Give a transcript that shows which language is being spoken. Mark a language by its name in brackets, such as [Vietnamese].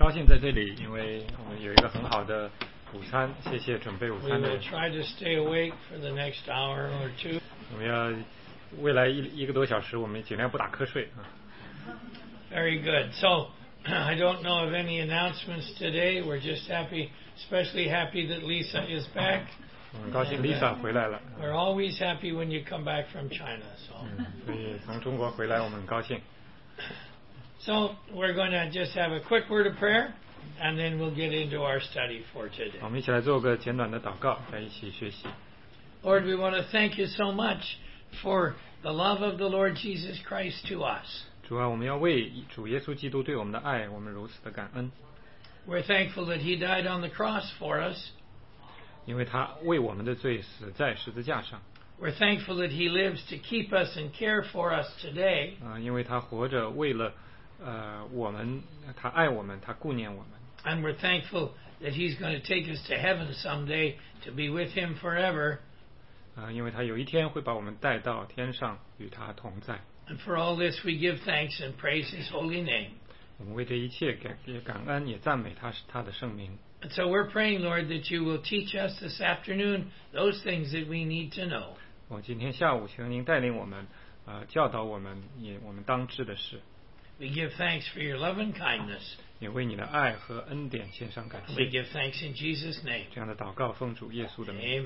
[Chinese] 高兴在这里，因为我们有一个很好的午餐，谢谢准备午餐的人。我们要未来一个多小时，我们尽量不打瞌睡。 [English] Very good. So, I don't know of any announcements today. We're just happy, especially happy that Lisa is back. [Chinese] 我很高兴 Lisa 回来了。 [English] We're always happy when you come back from China. So. [Chinese] 所以从中国回来我们很高兴。 [English] So we're going to just have a quick word of prayer, and then we'll get into our study for today. [Chinese] 我们一起来做个简短的祷告，来一起学习。 [English] Lord, we want to thank you so much for the love of the Lord Jesus Christ to us. [Chinese] 主啊，我们要为主耶稣基督对我们的爱，我们如此的感恩。 [English] We're thankful that He died on the cross for us. [Chinese] 因为他为我们的罪死在十字架上。 [English] We're thankful that He lives to keep us and care for us today. [Chinese] 因为他活着为了我们他爱我们他顾念我们 [English] and we're thankful that he's going to take us to heaven someday to be with him forever [Chinese] 因为他有一天会把我们带到天上与他同在 [English] and for all this we give thanks and praise his holy name [Chinese] 我们为这一切感恩也赞美他的圣名 [English] and so we're praying Lord that you will teach us this afternoon those things that we need to know [Chinese] 我今天下午请您带领我们教导我们也我们当知的事 [English] We give thanks for your love and kindness. [Chinese] 也为你的爱和恩典献上感谢。 [English] We give thanks in Jesus' name. [Chinese] 这样的祷告奉主耶稣的名。